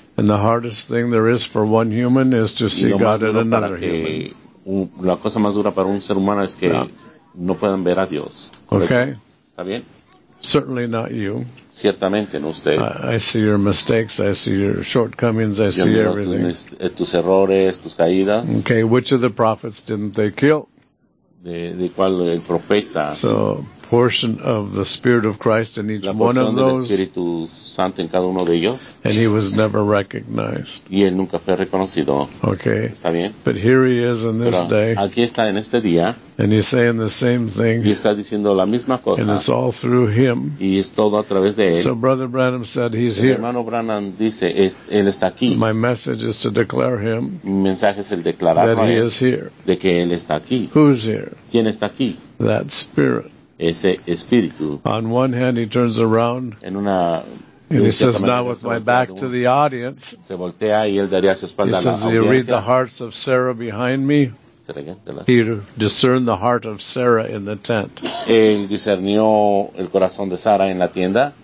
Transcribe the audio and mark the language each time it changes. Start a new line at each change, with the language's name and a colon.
English: And the hardest thing there is for one human is to see God in another human.
Spanish: La cosa más dura para un ser humano es que no puedan ver a Dios.
English: Okay.
Spanish: ¿Está bien?
English: Certainly not you.
Spanish: Ciertamente no usted.
English: I see your mistakes, I see your shortcomings, I see everything.
Spanish: Tus errores, tus caídas.
English: Okay, which of the prophets didn't they kill?
Spanish: De cuál el profeta.
English: So, portion of the Spirit of Christ in each one of those.
Spanish: Espíritu Santo en cada uno de ellos.
English: And he was never recognized.
Spanish: Y él nunca fue reconocido.
English: Okay.
Spanish: Está bien.
English: But here he is in this
Spanish: Pero
English: day.
Spanish: Aquí está en este día.
English: And he's saying the same thing.
Spanish: Y está diciendo la misma cosa.
English: And it's all through him.
Spanish: Y es todo a través de él.
English: So Brother Branham said he's
Spanish: el
English: here.
Spanish: Hermano Branham dice, él está aquí.
English: My message is to declare him.
Spanish: Mi mensaje es el declararlo.
English: That he is here.
Spanish: De que él está aquí.
English: Who's here?
Spanish: ¿Quién está aquí?
English: That spirit.
Spanish: Ese espíritu.
English: On one hand, he turns around.
Spanish: En una
English: And he says, now with my back to the audience,
Spanish: se voltea y él daría su espalda
English: he says, do you read the hearts of Sarah behind me? He discerned the heart of Sarah in the tent.
Spanish: Él discernió el corazón de Sara en la tienda.